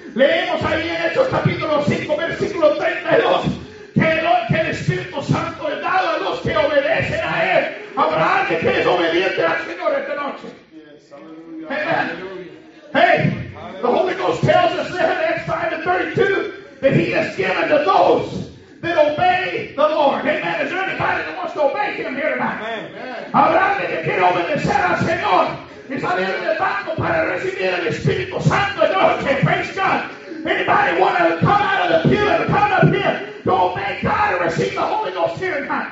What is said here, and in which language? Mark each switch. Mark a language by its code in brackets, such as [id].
[es] Leemos ahí en Hechos capítulo 5, versículo 32, que el Espíritu Santo es dado a los que obedecen a él. Habrá alguien que es obediente al Señor esta noche. [en] Hey, the Holy Ghost tells us in Acts 5:32. That he has given to those that obey the Lord. Amen. Is there anybody that wants to obey him here tonight? [es] Habrá alguien que quiera obedecer al Señor. Y salir del barco para recibir el Espíritu Santo. [en] Okay, praise God. Anybody want to come out of the pew and come up here to obey God and receive the Holy Ghost here tonight?